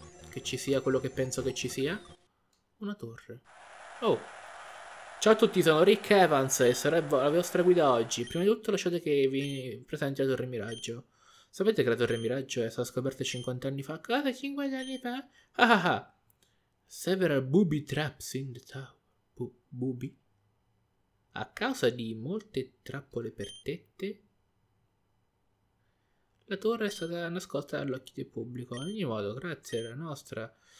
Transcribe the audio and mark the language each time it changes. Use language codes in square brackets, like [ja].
[it] Che ci sia quello che penso che ci sia. Una torre. Oh. Ciao a tutti, sono Rick Evans e sarò la vostra guida oggi. Prima di tutto lasciate che vi presenti la torre Miraggio. Sapete che la torre Miraggio è stata scoperta 50 anni fa? Cosa, 50 anni fa? Ah. [en] Several booby traps in the tower. Booby? [it] A causa di molte trappole per tette? La torre è stata nascosta dall'occhio del pubblico. In ogni modo, grazie alla nostra...